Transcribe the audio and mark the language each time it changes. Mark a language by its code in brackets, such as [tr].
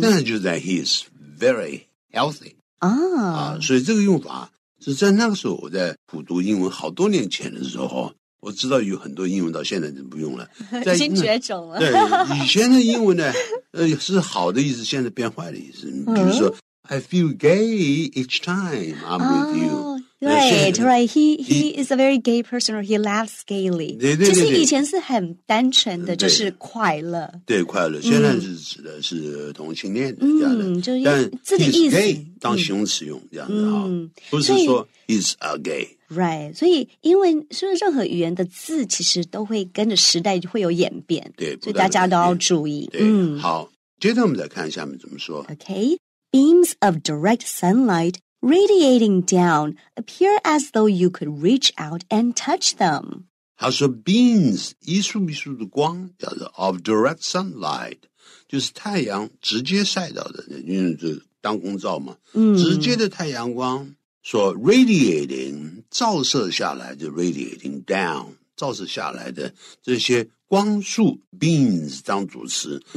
[zh] 那就是 [en] that he's very healthy. 啊、 [zh] 所以这个用法是在那个时候我在普读英文好多年前的时候，我知道有很多英文到现在就不用了，已经绝种了。对，以前的英文呢，是好的意思，现在变坏的意思。比如说、mm-hmm. [en] ，I feel gay each time I'm with you. Right, he is a very gay person, or he laughs gaily. [zh] 对对对对就是以前是很单纯的，就是快乐。对，快乐。现在是指的是同性恋这样的。但这个意思 gay, 当形容词用这样的哈，不是说 [en] he's a gay。 [zh] Right, 所以因为说任何语言的字其实都会跟着时代会有演变。对，所以大家都要注意。对，好，接着我们再看下面怎么说。 [en] Okay, beams of direct sunlight. Radiating down, appear as though you could reach out and touch them. [zh] 他说 beams, 一束一束的光叫做 [en] of direct sunlight, [zh] 就是太阳直接晒到的因为这当空照嘛、直接的太阳光说 radiating, 照射下来的 [en] radiating down, [zh] 照射下来的这些光束 beams 当主词、